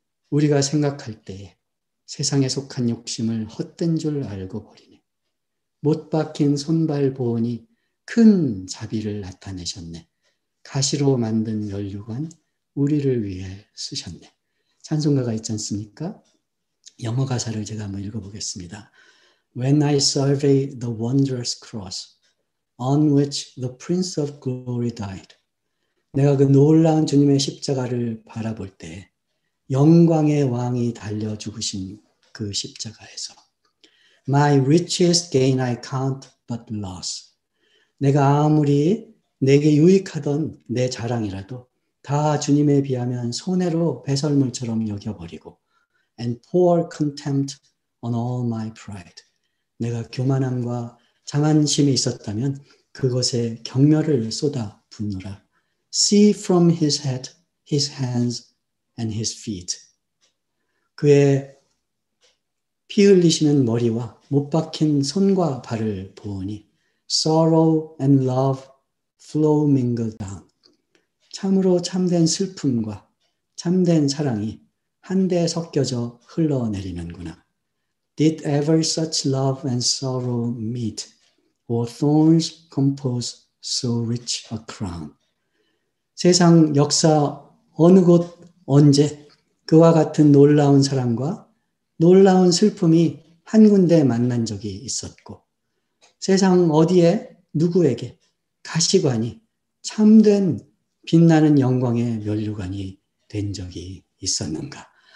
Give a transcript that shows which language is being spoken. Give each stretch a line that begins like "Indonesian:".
Korean: 우리가 생각할 때에 세상에 속한 욕심을 헛된 줄 알고 버리네. 못 박힌 손발 보호니 큰 자비를 나타내셨네. 가시로 만든 연류관 우리를 위해 쓰셨네. 찬송가가 있지 않습니까? 영어 가사를 제가 한번 읽어보겠습니다.
English: When I survey the wondrous cross on which the Prince of Glory died.
Korean: 내가 그 놀라운 주님의 십자가를 바라볼 때, 영광의 왕이 달려 죽으신 그 십자가에서,
English: My richest gain I count but loss.
Korean: 내가 아무리 내게 유익하던 내 자랑이라도 다 주님에 비하면 손해로 배설물처럼 여겨버리고,
English: And pour contempt on all my pride.
Korean: 내가 교만함과 장한심이 있었다면 그것에 경멸을 쏟아 부으라.
English: See from his head, his hands, and his feet.
Korean: 그의 피 흘리시는 머리와 못 박힌 손과 발을 보으니
English: sorrow and love flow mingle down.
Korean: 참으로 참된 슬픔과 참된 사랑이 한데 섞여져 흘러내리는구나.
English: Did ever such love and sorrow meet, or thorns compose so rich a crown?
Korean: 세상 역사 어느 곳 언제 그와 같은 놀라운 사랑과 놀라운 슬픔이 한 군데 만난 적이 있었고, 세상 어디에 누구에게 가시관이 참된 빛나는 영광의 면류관이 된 적이 있었는가?